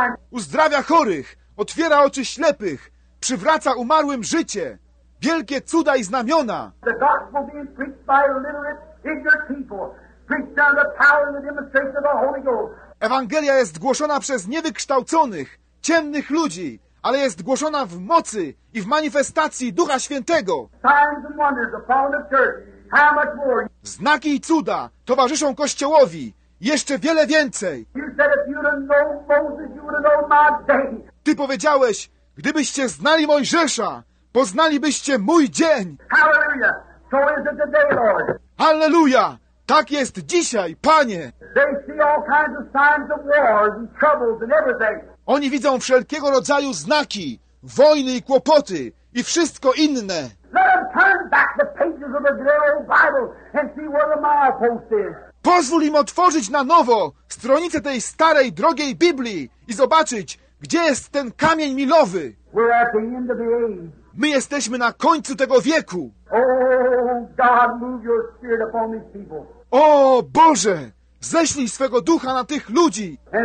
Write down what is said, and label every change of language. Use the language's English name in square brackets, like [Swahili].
[Polish] Uzdrawia chorych, otwiera oczy ślepych, przywraca umarłym życie. Wielkie cuda i znamiona. [English] The gospel being preached by illiterate, ignorant people, preached under the power and the demonstration of the Holy Ghost. [Polish] Ewangelia jest głoszona przez niewykształconych, ciemnych ludzi, ale jest głoszona w mocy i w manifestacji Ducha Świętego. [English] Signs and wonders upon the church. How much more? [Polish] Znaki i cuda towarzyszą Kościołowi. Jeszcze wiele więcej. [English] You said if you'd have known Moses, you would have known my day. [Polish] Ty powiedziałeś, gdybyście znali Mojżesza, poznalibyście mój dzień. [English] Hallelujah. So is it today, Lord. [Polish] Hallelujah. Tak jest dzisiaj, Panie. [English] They see all kinds of signs of wars and troubles and everything. [Polish] Oni widzą wszelkiego rodzaju znaki, wojny i kłopoty i wszystko inne. [English] Let them turn back the pages of the great old Bible and see where the milepost is. [Polish] Pozwól im otworzyć na nowo stronicę tej starej, drogiej Biblii i zobaczyć, gdzie jest ten kamień milowy. [English] We're at the end of the age. [Polish] My jesteśmy na końcu tego wieku. [English] Oh, God, move your spirit upon these people. [Polish] O Boże, ześlij swego ducha na tych ludzi.